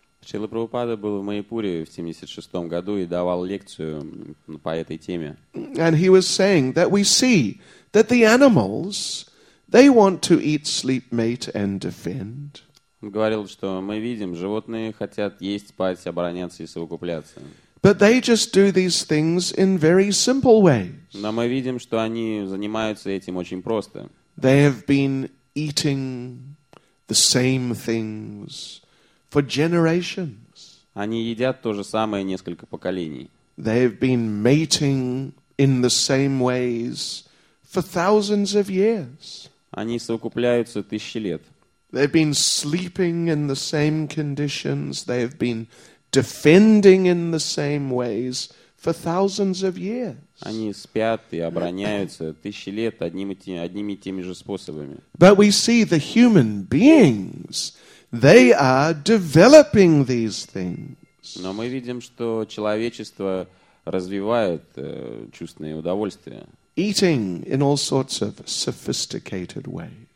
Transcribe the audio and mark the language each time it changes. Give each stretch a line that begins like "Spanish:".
Russian: Srila Prabhupada был в Майяпуре в 76-м году и давал лекцию по этой теме.
English: And he was saying that we see that the animals, they want to eat, sleep, mate, and defend.
Russian: Он говорил, что мы видим, животные хотят есть, спать, обороняться и совокупляться.
English: But they just do these things in very simple ways.
Russian: Но мы видим, что они занимаются этим очень просто.
English: They have been eating the same things for generations.
Russian: Они едят то же самое несколько поколений.
English: They have been mating in the same ways for thousands of years.
Russian: Они совокупляются тысячи лет.
English: They have been sleeping in the same conditions. They have been defending in the same ways for thousands of years.
Russian: Они спят и обороняются тысячи лет одними и теми же способами.
English: But we see the human beings, they are developing these things.
Russian: Но мы видим, что человечество развивает чувственные удовольствия.
English: Eating in all sorts of sophisticated ways.